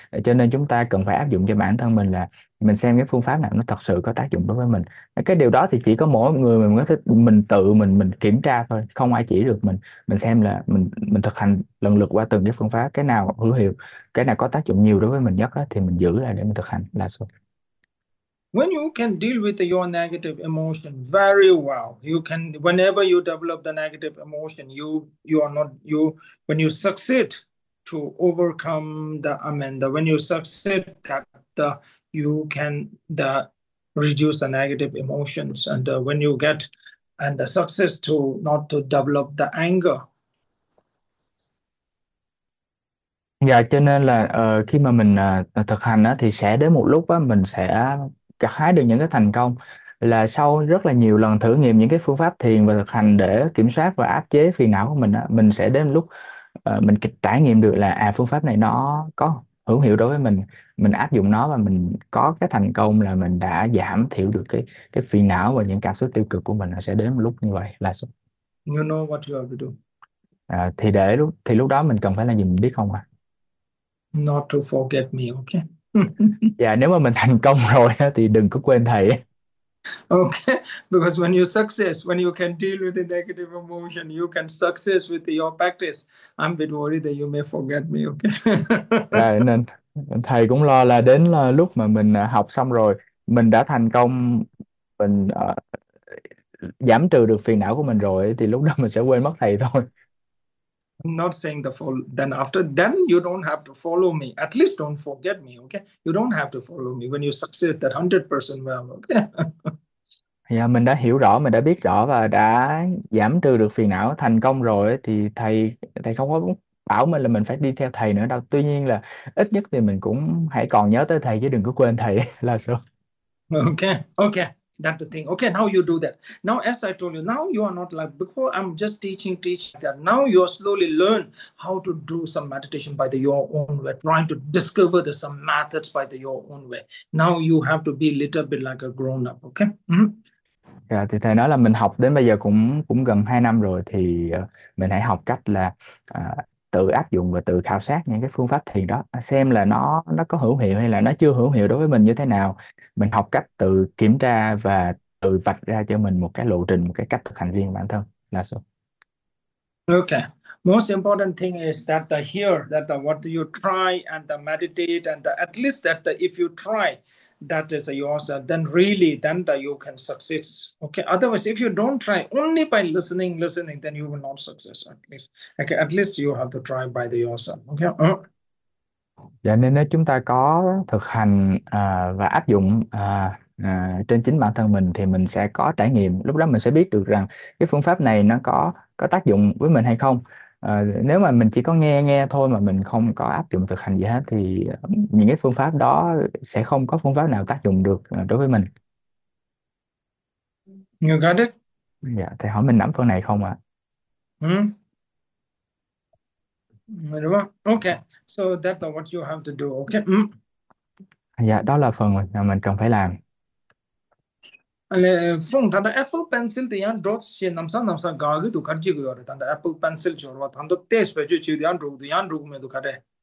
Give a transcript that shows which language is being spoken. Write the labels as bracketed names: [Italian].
[Vietnamese] Cho nên chúng ta cần phải áp dụng cho bản thân mình là mình xem cái phương pháp nào nó thật sự có tác dụng đối với mình. Cái điều đó thì chỉ có mỗi người mình có thích mình tự mình kiểm tra thôi, không ai chỉ được mình xem là mình thực hành lần lượt qua từng cái phương pháp, cái nào hữu hiệu, cái nào có tác dụng nhiều đối với mình nhất đó, thì mình giữ lại để mình thực hành là số. [English] When you can deal with your negative emotion very well, you can. Whenever you develop the negative emotion, you are not you. When you succeed to overcome the amenda, when you succeed that you can reduce the negative emotions, and when you get and the success to not to develop the anger. [Vietnamese] Dạ, cho nên là khi mà mình thực hành thì sẽ đến một lúc mình sẽ hái được những cái thành công là sau rất là nhiều lần thử nghiệm những cái phương pháp thiền và thực hành để kiểm soát và áp chế phiền não của mình đó, mình sẽ đến lúc mình kịch trải nghiệm được là à phương pháp này nó có hữu hiệu đối với mình áp dụng nó và mình có cái thành công là mình đã giảm thiểu được cái phiền não và những cảm xúc tiêu cực của mình, nó sẽ đến một lúc như vậy là [English] You know what you have to [Vietnamese] à, thì để lúc thì lúc đó mình cần phải là gì mình biết không ạ? [English] do. Not to forget me, okay? [Vietnamese] Dạ nếu mà mình thành công rồi thì đừng có quên thầy. [English] Because when you success, when you can deal with the negative emotion, you can success with your practice. I'm a bit worried that you may forget me, [Vietnamese] Dạ, [English] okay? [Vietnamese] nên thầy cũng lo là đến là lúc mà mình học xong rồi mình đã thành công, mình giảm trừ được phiền não của mình rồi thì lúc đó mình sẽ quên mất thầy thôi. [English] I'm not saying the follow, then after, then you don't have to follow me. At least don't forget me, okay? You don't have to follow me when you succeed that 100% well, okay? [Vietnamese] Dạ, mình đã hiểu rõ, mình đã biết rõ và đã giảm trừ được phiền não thành công rồi thì thầy không có bảo mình là mình phải đi theo thầy nữa đâu. Tuy nhiên là ít nhất thì mình cũng hãy còn nhớ tới thầy chứ đừng có quên thầy là sao. [English] Okay. That's the thing. Okay, now you do that. Now, as I told you, now you are not like before. I'm just teaching that. Now you are slowly learn how to do some meditation by the your own way, trying to discover the some methods by the your own way. Now you have to be a little bit like a grown up. Okay. [Vietnamese] Dạ, thì thầy nói là mình học đến bây giờ cũng cũng gần 2 năm rồi thì mình hãy học cách là tự áp dụng và tự khảo sát những cái phương pháp thiền đó, xem là nó có hữu hiệu hay là nó chưa hữu hiệu đối với mình như thế nào. Mình học cách tự kiểm tra và tự vạch ra cho mình một cái lộ trình, một cái cách thực hành riêng bản thân là sao. [English] Okay. Most important thing is that the here that the what you try and the meditate and the, at least that the, if you try that is yourself, then really then the, you can succeed. Okay. Otherwise, if you don't try only by listening, then you will not success at least. Okay. At least you have to try by the yourself. Okay. [Vietnamese] Dạ nên nếu chúng ta có thực hành và áp dụng trên chính bản thân mình thì mình sẽ có trải nghiệm, lúc đó mình sẽ biết được rằng cái phương pháp này nó có tác dụng với mình hay không. Nếu mà mình chỉ có nghe nghe thôi mà mình không có áp dụng thực hành gì hết thì những cái phương pháp đó sẽ không có phương pháp nào tác dụng được đối với mình. [English] You got [Vietnamese] Dạ thầy hỏi mình nắm phần này không ạ? À? [English] it? Hmm? Okay, so that's what you have to do. Okay. [Vietnamese] Dạ, đó là phần mà mình cần phải làm. Phong thằng đó Apple pencil thì anh đốt xin làm sao gà cái tụ khách chịu rồi thằng đó Apple pencil cho nó thằng đó test về chưa chịu thì anh rụng mày tụ khách đấy.